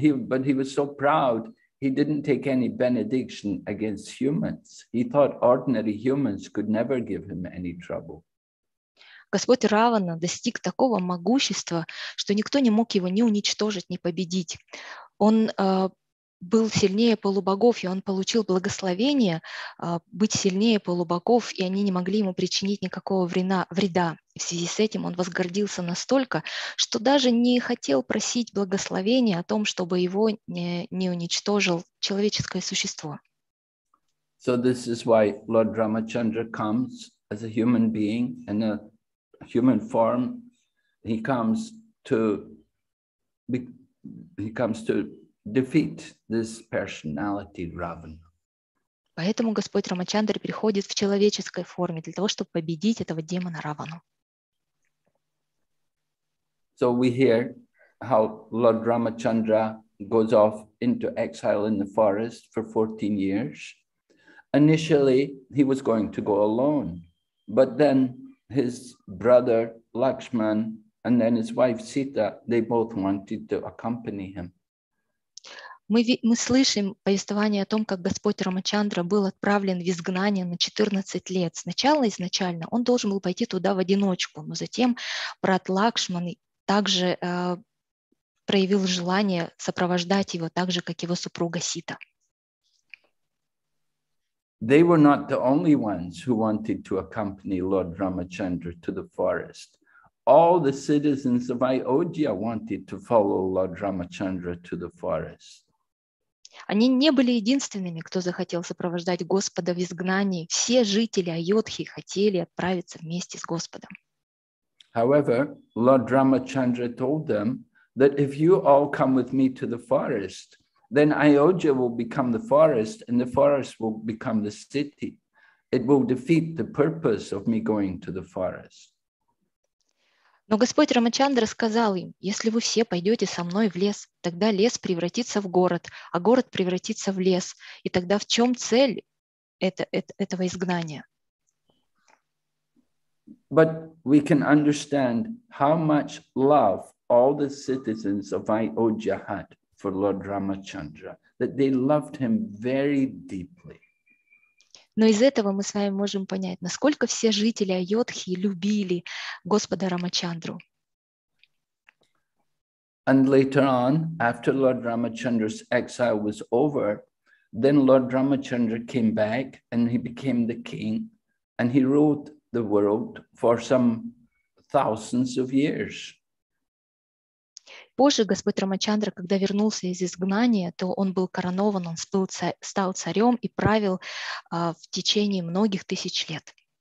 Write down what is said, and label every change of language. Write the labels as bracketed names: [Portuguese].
[English] But he was so proud, he didn't take any benediction against humans. He thought ordinary humans could never give him any trouble. [Russian] Господь Равана достиг такого могущества, что никто не мог его ни уничтожить, ни победить. Он был сильнее полубогов, и он получил благословение быть сильнее полубогов, и они не могли ему причинить никакого вреда. В связи с этим он возгордился настолько, что даже не хотел просить благословения о том, чтобы его не уничтожил человеческое существо. [English] So this is why Lord Ramachandra comes as a human being in a human form. He comes to defeat this personality Ravana. [Russian] Поэтому Господь Рамачандра приходит в человеческой форме для того, чтобы победить этого демона Равану. [English] So we hear how Lord Ramachandra goes off into exile in the forest for 14 years. Initially, he was going to go alone, but then his brother Lakshman and then his wife Sita, they both wanted to accompany him. [Russian] Мы слышим повествование о том, как Господь Рамачандра был отправлен в изгнание на 14 лет. Сначала, изначально, он должен был пойти туда в одиночку, но затем брат Лакшман также проявил желание сопровождать его так же, как его супруга Сита. [English] They were not the only ones who wanted to accompany Lord Ramachandra to the forest. All the citizens of Ayodhya wanted to follow Lord Ramachandra to the forest. [Russian] Они не были единственными, кто захотел сопровождать Господа в изгнании. Все жители Айодхи хотели отправиться вместе с Господом. [English] However, Lord Ramachandra told them that if you all come with me to the forest, then Ayodhya will become the forest and the forest will become the city. It will defeat the purpose of me going to the forest. [Russian] Но Господь Рамачандра сказал им, если вы все пойдете со мной в лес, тогда лес превратится в город, а город превратится в лес. И тогда в чем цель этого изгнания? [English] But we can understand how much love all the citizens of Ayodhya had for Lord Ramachandra, that they loved him very deeply. [Russian] Но из этого мы с вами можем понять, насколько все жители Айодхи любили Господа Рамачандру. [English] And later on, after Lord Ramachandra's exile was over, then Lord Ramachandra came back and he became the king and he ruled the world for some thousands of years. [Russian] Позже Господь Рамачандра, когда вернулся из изгнания, то он был коронован, он стал царем и правил в течение многих тысяч лет.